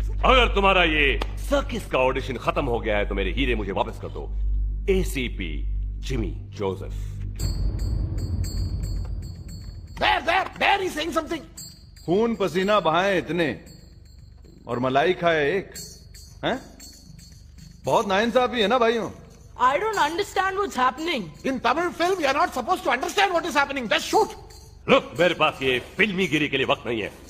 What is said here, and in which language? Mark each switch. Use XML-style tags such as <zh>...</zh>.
<hi>अगर तुम्हारा ये सर्किस का ऑडिशन खत्म हो गया है तो मेरे हीरे मुझे वापस कर दो. ACP Jimmy Joseph.</hi> <en>There is saying something.</en> <hi>खून पसीना बहाए इतने और मलाई खाए एक, हैं? बहुत नाइंसाफी है ना भाइयों.</hi> <en>I don't understand what's happening. In Tamil film, you're not supposed to understand what is happening. Just shoot.</en> <hi>Look, मेरे पास ये फिल्मी गिरी के लिए वक्त नहीं है.</hi>